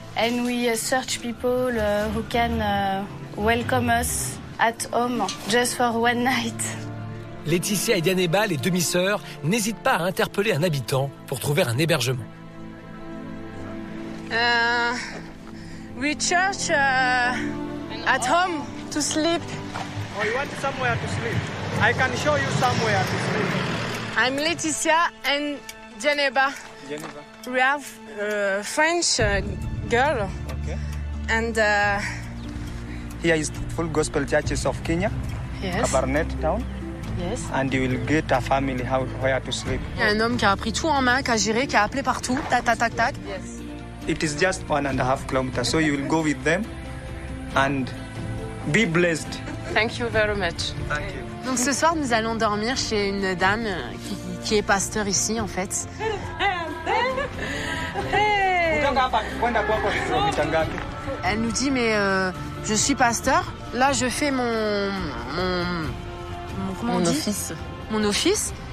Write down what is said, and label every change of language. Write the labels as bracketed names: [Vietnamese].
[English] And we search people who can welcome us at home just for one night. [French] Laetitia et Dianeba, les demi-sœurs, n'hésitent pas à interpeller un habitant pour trouver un hébergement. [English] We search at home to sleep. Oh, you want somewhere to sleep? I can show you somewhere. I'm Laetitia and Dianeba. We have a French girl. Okay. And here is full gospel churches of Kenya. Yes. Cabarnet town. Yes. And you will get a family how where to sleep. [French] Il y a un homme qui a pris tout en main, qui a géré, qui a appelé partout. Tac tac tac tac. [English] Yes. It is just 1.5 kilometers, so you will go with them and be blessed. Thank you very much. Thank you. [French] Donc ce soir, nous allons dormir chez une dame qui est pasteur ici, en fait. Elle nous dit, mais je suis pasteur. Là, je fais mon office.